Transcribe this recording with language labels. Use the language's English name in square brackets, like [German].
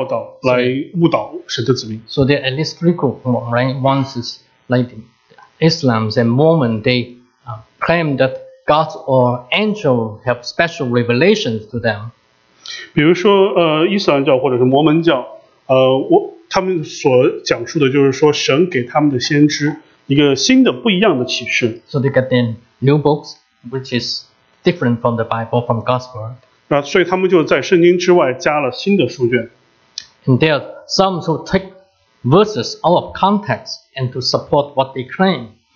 [Chinese] 所以我们在历史上可以看到很多这样，就是说是这些假教师发明了一些新的教导来误导神的子民。So [English] there are at least three groups. Right, one is like Islam and Mormon. They claim that God or angel have special revelations to them. [Chinese] 比如说，伊斯兰教或者是摩门教，他们所讲述的就是说神给他们的先知。 [English] So they get them new books, which is different from the Bible, from God's Word. [Chinese] 所以他们就在圣经之外加了新的书卷。 [English] And there are some who take verses out of context and to support what they claim.